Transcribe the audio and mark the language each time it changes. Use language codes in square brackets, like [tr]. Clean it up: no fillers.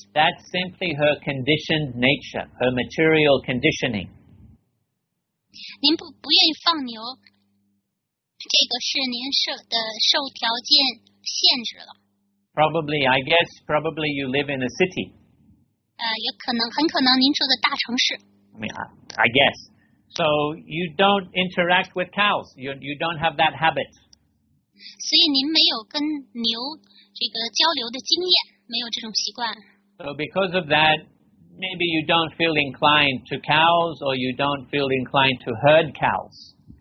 [en] that's simply her conditioned nature, her material conditioning. [zh] 您 不愿意放牛，这个是您的受条件限制了。 [en] Probably you live in a city. [zh] 有可能，很可能您住在大城市。 [en] I guess. So you don't interact with cows. You don't have that habit. [zh] 所以您没有跟牛这个交流的经验，没有这种习惯。 [en] So because of that, maybe you don't feel inclined to cows, or you don't feel inclined to herd cows.